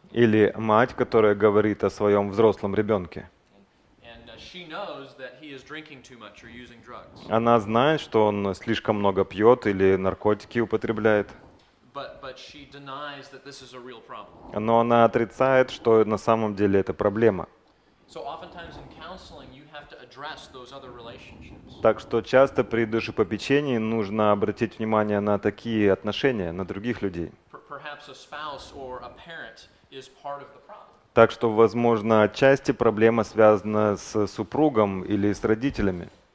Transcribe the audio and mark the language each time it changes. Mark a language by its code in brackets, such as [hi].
[ru] Или мать, которая говорит о своем взрослом ребенке. [en] And she knows that he is drinking too much or using drugs. [ru] Она знает, что он слишком много пьет или наркотики употребляет. [en] But she denies that this is a real problem. [ru] Но она отрицает, что на самом деле это проблема. [en] So oftentimes in counseling you have to address those other relationships. [ru] Так что часто при душепопечении нужно обратить внимание на такие отношения, на других людей. [en] Perhaps a spouse or a parent [ru] Так что, возможно, отчасти проблема связана с супругом или с родителями.